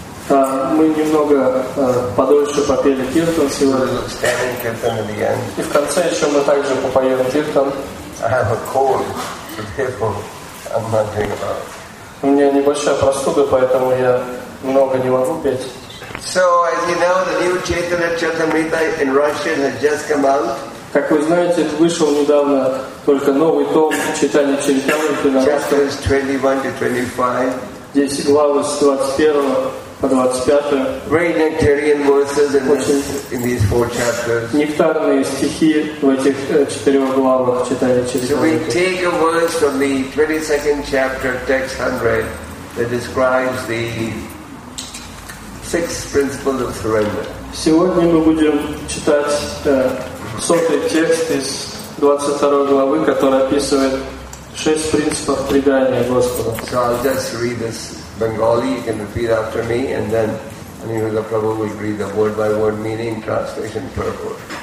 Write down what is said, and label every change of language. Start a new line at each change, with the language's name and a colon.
Russian: Мы немного подольше попели Киртан сегодня.
English: In the end.
Russian: И в конце еще мы также попоем Киртан.
English: I have a cold, so therefore I'm not doing well.
Russian: У меня небольшая простуда, поэтому я много не могу петь.
English: So, as you know, the new Chaitanya Charitamrita in Russian has just come out.
Russian: Как вы знаете, вышел недавно только новый том Чайтанья Чаритамриты на русском.
English: Chapters 21 to 25.
Russian: Здесь главы с 21 по 25.
English: Very nectarian verses in these four chapters.
Russian: Нектарные стихи в этих четырех главах Чайтанья Чаритамриты.
English: So we take a verse from the 22nd chapter, text 100, that describes the six principles of surrender.
Russian: Сегодня мы будем читать сотый текст из 22 главы, который описывает шесть принципов предания Господу.
English: So I'll just read this Bengali. You can repeat after me, and then Anuruddha Prabhu will read the word-by-word meaning, translation, purport.